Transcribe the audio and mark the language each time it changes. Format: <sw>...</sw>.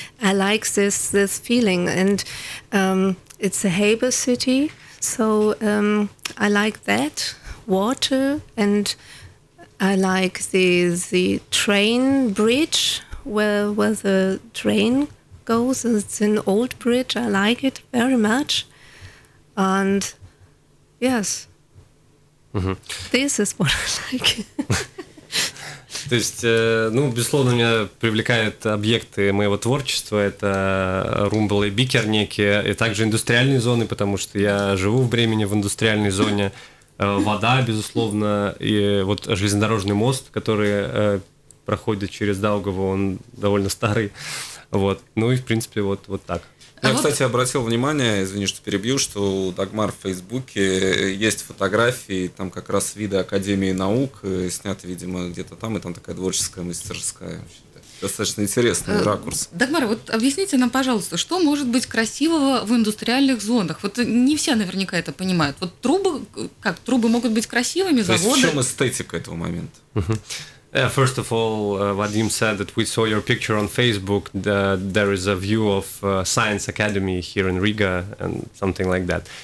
<en>I like this feeling, and it's a harbor city, so I like that water, and I like the train bridge where the train goes. It's an old bridge. I like it very much, and yes, this is what I like.</en> <ru>То есть, ну, безусловно, меня привлекают объекты моего творчества. Это Румбл и Бикер некие, и также индустриальные зоны, потому что я живу в Бремене в индустриальной зоне. Вода, безусловно, и вот железнодорожный мост, который проходит через Даугаву, он довольно старый. Вот. Ну и, в принципе, вот так. Я, кстати, обратил внимание, извини, что перебью, что у Дагмар в Фейсбуке есть фотографии, там как раз виды Академии наук, сняты, видимо, где-то там, и там такая творческая мастерская. Достаточно интересный ракурс. Дагмар, вот объясните нам, пожалуйста, что может быть красивого в индустриальных зонах? Вот не все наверняка это понимают. Вот трубы, как, трубы могут быть красивыми, заводы? То есть в чем эстетика этого момента?</ru> <en>First of all, Vadim said that we saw your picture on Facebook. There is a view of Science Academy here in Riga and something like that.</en>